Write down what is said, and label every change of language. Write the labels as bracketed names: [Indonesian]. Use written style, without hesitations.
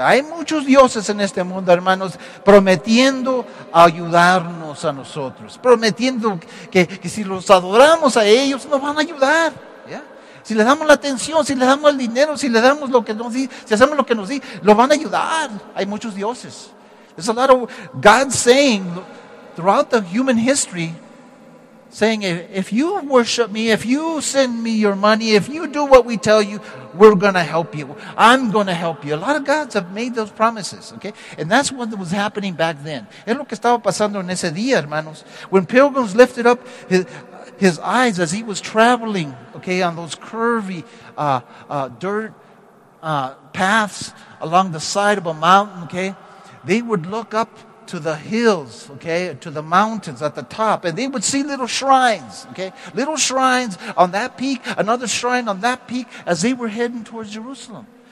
[Spanish] Hay muchos dioses en este mundo, hermanos, prometiendo ayudarnos a nosotros. Prometiendo que si los adoramos a ellos, nos van a ayudar. Yeah? Si le damos la atención, si le damos el dinero, si le damos lo que nos dice, si hacemos lo que nos dice, lo van a ayudar. Hay muchos dioses. [English] There's a lot of God saying. Throughout the human history, saying, if you worship me, if you send me your money, if you do what we tell you, we're going to help you. I'm going to help you. A lot of gods have made those promises, okay? And that's what was happening back then. [Spanish] Es lo que estaba pasando en ese día, hermanos. [English] When pilgrims lifted up his eyes as he was traveling, okay, on those curvy dirt paths along the side of a mountain, okay, they would look up to the hills, okay, to the mountains at the top, and they would see little shrines, okay, little shrines on that peak, another shrine on that peak, as they were heading towards Jerusalem.